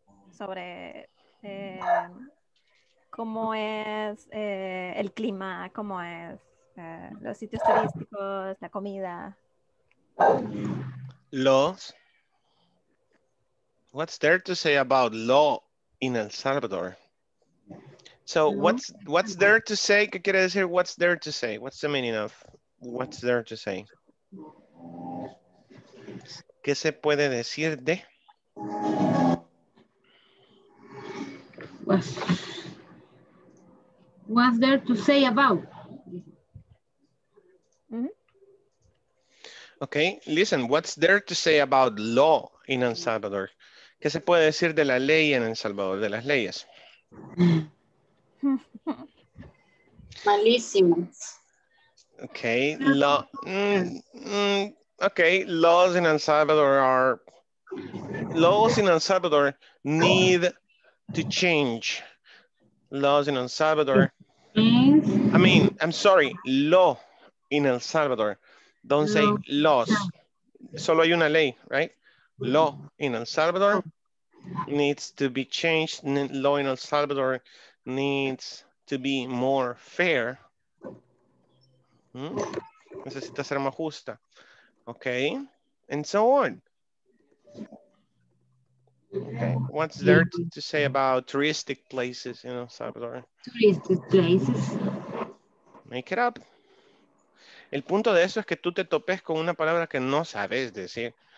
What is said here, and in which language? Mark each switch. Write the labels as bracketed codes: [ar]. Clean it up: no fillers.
[es] Sobre cómo es el clima, cómo es los sitios turísticos, la comida. Los. [en] What's there to say about law in El Salvador? So what's there to say? [es] ¿Qué quiere decir [en] what's there to say? What's the meaning of What's there to say? [es] ¿Qué se puede decir de? [en] What's there to say about? Okay, listen, what's there to say about law in El Salvador? [es] ¿Qué se puede decir de la ley en El Salvador, de las leyes? Malísimo. [en] Okay, law. Okay, laws in El Salvador are, laws in El Salvador need to change. Laws in El Salvador, I mean, I'm sorry, law in El Salvador. Don't say laws. [es] Solo hay una ley, [en] right? Law in El Salvador needs to be changed. Law in El Salvador needs to be more fair. [es] Necesita ser más justa. Okay. [en] And so on. Okay. What's there to say about touristic places in El Salvador? Touristic places. Make it up. [es] El punto de eso es que tú te topes con una palabra que no sabes decir.